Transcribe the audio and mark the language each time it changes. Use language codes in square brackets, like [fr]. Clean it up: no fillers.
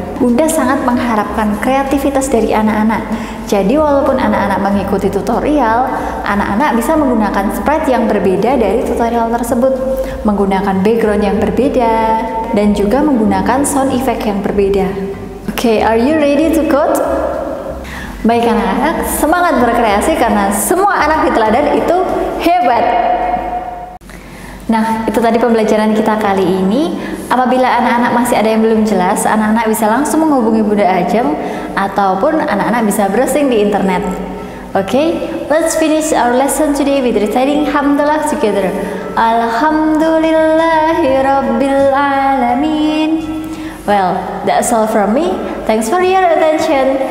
[id] Bunda sangat mengharapkan kreativitas dari anak-anak. Jadi, walaupun anak-anak mengikuti tutorial, anak-anak bisa menggunakan sprite yang berbeda dari tutorial tersebut, menggunakan background yang berbeda, dan juga menggunakan sound effect yang berbeda. [en] Okay, are you ready to code? [id] Baik anak-anak, semangat berkreasi karena semua anak di teladan itu hebat. Nah, itu tadi pembelajaran kita kali ini. Apabila anak-anak masih ada yang belum jelas, anak-anak bisa langsung menghubungi Bunda Ajeng ataupun anak-anak bisa browsing di internet. [en] Okay, let's finish our lesson today with reciting Alhamdulillah together. [ar] Alhamdulillahirrabbilalamin. [en] Well, that's all from me. Thanks for your attention.